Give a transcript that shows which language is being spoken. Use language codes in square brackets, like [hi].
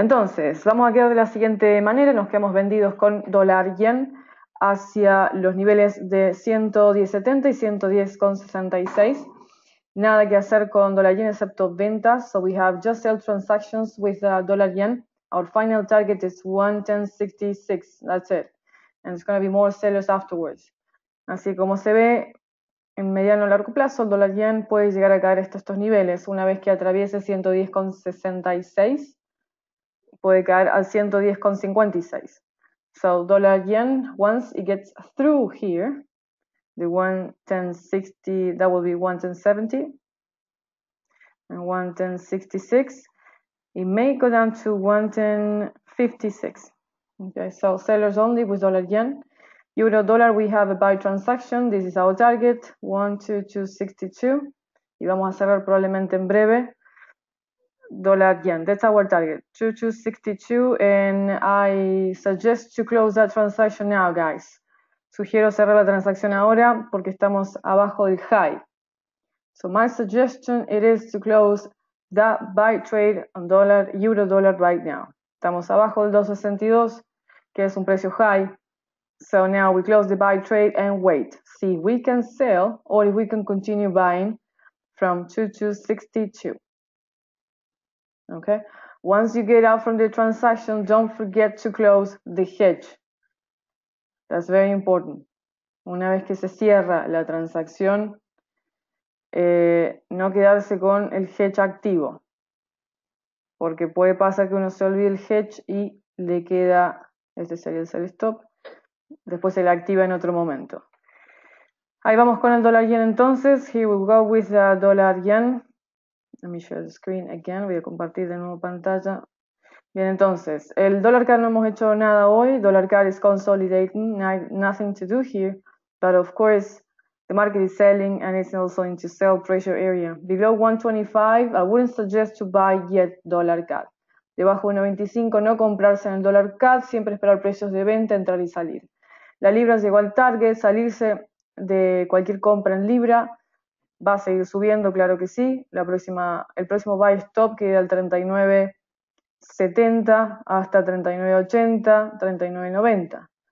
[es] Entonces, vamos a quedar de la siguiente manera: nos quedamos vendidos con dólar yen hacia los niveles de 110.70 y 110.66. Nada que hacer con dólar yen excepto ventas. [en] So we have just sell transactions with dollar yen. Our final target is 110.66. That's it. And it's going to be more sellers afterwards. [es] Así como se ve, en mediano o largo plazo, el dólar yen puede llegar a caer hasta estos niveles. Una vez que atraviese 110.66, puede caer al 110.56. [en] So, dólar yen, once it gets through here, the 110.60, that will be 110.70. And 110.66. It may go down to 110.56. Okay, so sellers only with dollar yen. Euro dollar, we have a buy transaction. This is our target, 122.62. [es] Y vamos a cerrar probablemente en breve. [en] Dólar yen, that's our target, 2262. And I suggest to close that transaction now, guys. [es] Sugiero cerrar la transacción ahora porque estamos abajo del high. [en] So my suggestion, it is to close that buy trade on dollar, euro dollar right now. [es] Estamos abajo del 262, que es un precio high. [en] So now we close the buy trade and wait. See if we can sell or if we can continue buying from 2262. Okay. Once you get out from the transaction, don't forget to close the hedge. That's very important. [es] Una vez que se cierra la transacción, no quedarse con el hedge activo. Porque puede pasar que uno se olvide el hedge y le queda, este sería el sell stop. Después se le activa en otro momento. Ahí vamos con el dólar yen entonces. [en] Here we go with the dollar yen. Let me share the screen again. [es] Voy a compartir de nuevo pantalla. Bien, entonces, el dólar CAD no hemos hecho nada hoy. [en] Dólar CAD is consolidating. Nothing to do here. But of course, the market is selling and it's also into sell pressure area. Below 125, I wouldn't suggest to buy yet dólar CAD. [es] Debajo de 1.25, no comprarse en el dólar CAD. Siempre esperar precios de venta, entrar y salir. La libra llegó al target. Salirse de cualquier compra en libra. Va a seguir subiendo, claro que sí. El próximo buy stop queda al 39.70 hasta 39.80, 39.90.